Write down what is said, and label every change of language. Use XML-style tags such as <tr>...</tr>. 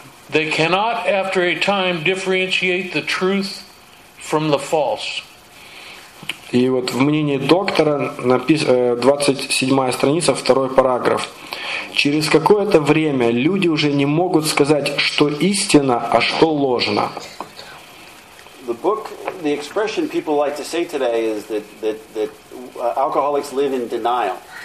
<en>They cannot, after a time, differentiate the truth from the false.</en> <ru>И вот в мнении доктора написано 27-я страница, 2-й параграф. Через какое-то время люди уже не могут сказать, что истина, а что ложно.</ru> <en>The book, the expression people like to say today is that alcoholics live in denial.</en>